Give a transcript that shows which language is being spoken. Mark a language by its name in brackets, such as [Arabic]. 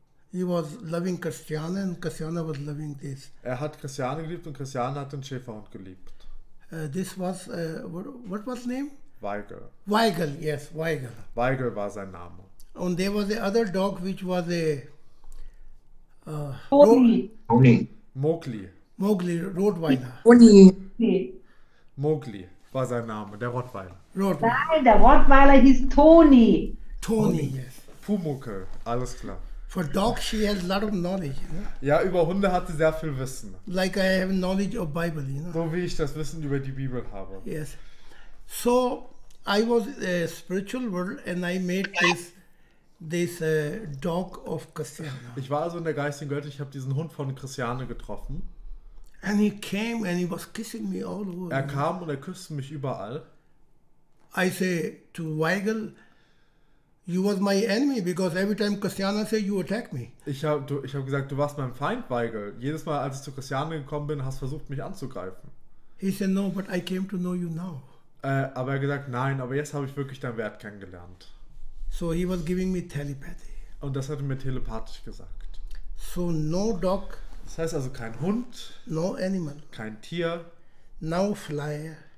[English] He was loving Christiane and Christiane was loving this. [German] Er hat Christiane geliebt und Christiane hat den Schäferhund geliebt. [English] This was, what was his name? Weigel. Weigel, yes, Weigel. [German] Weigel war sein Name. [English] And there was the other dog which was a... Mowgli. Mowgli, Rottweiler. [German] Mowgli war sein Name, der Rottweiler. Nein, der Rottweiler hieß Toni. [English] Toni, yes. [German] Pumuckl, alles klar. [English] For dogs, she has a lot of knowledge. You know? [German] Ja, über Hunde hat sie sehr viel Wissen. [English] Like I have knowledge of Bible, you know. [German] So wie ich das Wissen über die Bibel habe. [English] Yes. So, I was in the spiritual world and I made this dog of Christiane. [German] Ich war also in der geistigen Welt. Ich habe diesen Hund von Christiane getroffen. [English] And he came and he was kissing me all over. [German] Er kam und er küsste mich überall. [English] I say to Weigel, you was my enemy because every time Christiane say you attack me. [German] Ich hab gesagt, du warst mein Feind, Weigel. Jedes Mal, als ich zu Christiane gekommen bin, hast versucht, mich anzugreifen. [English] He said no, but I came to know you now. [German] Aber er gesagt, nein, aber jetzt habe ich wirklich deinen Wert kennengelernt. [English] So he was giving me telepathy. [German] Und das hat er mir telepathisch gesagt. [English] So no dog. [German] Das heißt also kein Hund. [English] No animal. [German] Kein Tier. [English] No fly.